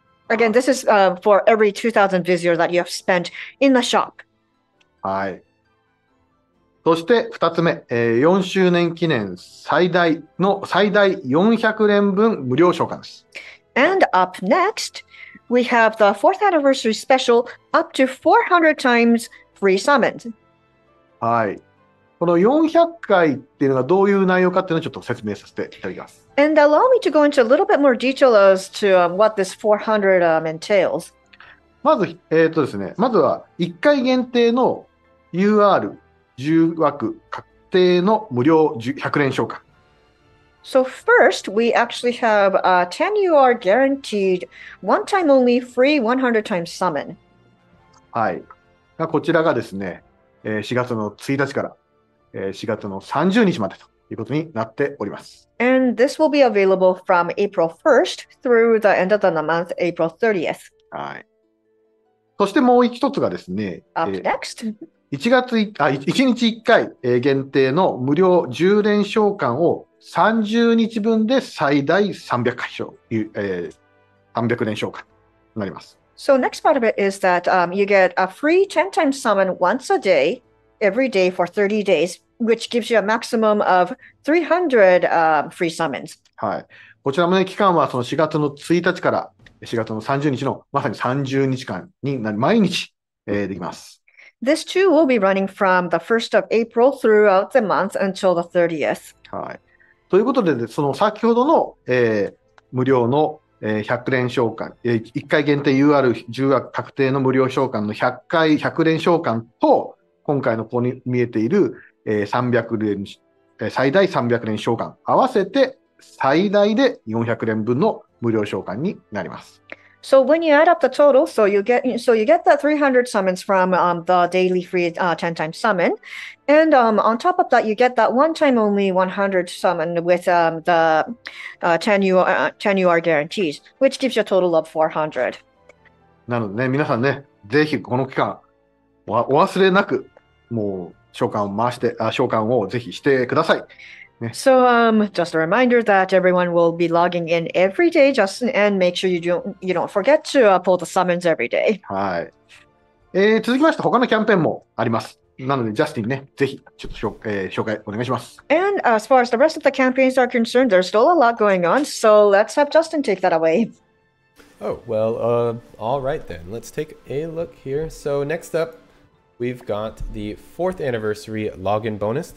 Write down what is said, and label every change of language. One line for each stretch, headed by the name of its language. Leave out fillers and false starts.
English: Again, this is for every 2,000 Vizier that you have spent in the shop.
Japanese: はい。そして2つ目、4周年記念最大400連分無料召喚です。
English: And up next, we have the 4th anniversary special up to 400 times free summons.
Japanese: はい。この400回っていうのがどういう内容かっていうのをちょっと説明させていただきます。
English: And allow me to go into a little bit more detail as to what this 400 entails.
Japanese: まず、ですね、まずは1回限定の UR。 10枠確定の無料100連召喚。
English: So first, we actually have a 10 UR guaranteed one time only free 100 times summon.
Japanese: はい。こちらがですね、4月の1日から4月の30日までということになっております。
English: And this will be available from April 1st through the end of the month, April 30th.
Japanese: はい。そしてもう一つがですね、
English: Up next.
Japanese: 1日1回限定の無料10連召喚を30日分で最大300箇所、300連召喚になります。
English: So next part of it is that you get a free 10 times summon once a day, every day for 30 days, which gives you a maximum of 300 free summons.
Japanese: はい。こちらもね、期間はその4月の1日から4月の30日のまさに30日間になり、毎日、できます。
English: This too will be running from the 1st of April throughout the month until the 30th.
Japanese: はい。ということで、その先ほどの、無料の100連召喚、1回限定 UR10 確定の無料召喚の100回100連召喚と、今回のここに見えている、最大300連召喚、合わせて最大で400連分の無料召喚になります。
English: So when you add up the total, so you get that 300 summons from the daily free 10 times summon, and on top of that, you get that one time only 100 summon with the 10 UR guarantees, which gives you a total of 400.
Japanese: なのでね、皆さんね、ぜひこの期間お忘れなく、もう召喚を回して、召喚をぜひしてください。
English: So, just a reminder that everyone will be logging in every day, Justin, and make sure you don't forget to pull the summons every day.
Japanese: はい。続きまして、他のキャンペーンもあります。なので、Justin ね、ぜひ、ちょっと紹介お願いします。
English: And as far as the rest of the campaigns are concerned, there's still a lot going on, so let's have Justin take that away. Oh, well, all right then. Let's take a look here. So, next up,We've got the 4th anniversary login bonus.